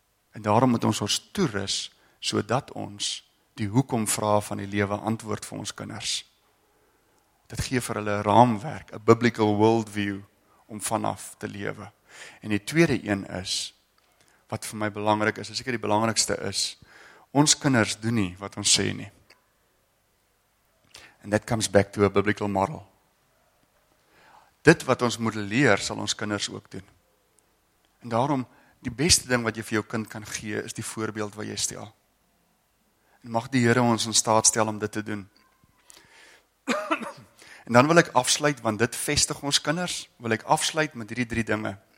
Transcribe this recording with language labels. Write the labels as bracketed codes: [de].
[af] En daarom moet ons toerus, sodat ons die hoekom vrae van die lewe antwoord vir ons kinders. Dit gee vir hulle 'n raamwerk, 'n biblical worldview om vanaf te lewe. En die tweede een is, wat vir my belangrik is, seker die belangrikste is, ons kinders doen nie wat ons sê nie. [en] And that comes back to a biblical model. [af] Dit wat ons moet leer, sal ons kinders ook doen. En daarom, die beste ding wat jy vir jou kind kan gee, is die voorbeeld wat jy stel. En mag die Here ons in staat stel om dit te doen. En dan wil ek afsluit, want dit vestig ons kinders, wil ek afsluit met hierdie drie dinge.